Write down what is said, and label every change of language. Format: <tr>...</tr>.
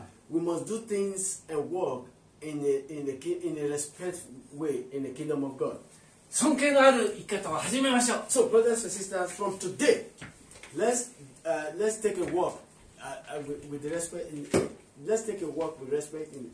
<en>We must do things and work in a respectful way in the kingdom of God.</en> <ja>尊敬のある生き方を始めましょう。</ja> <en>So, brothers and sisters, from today, let's take a walk with respect. Let's take a walk with respect.</en>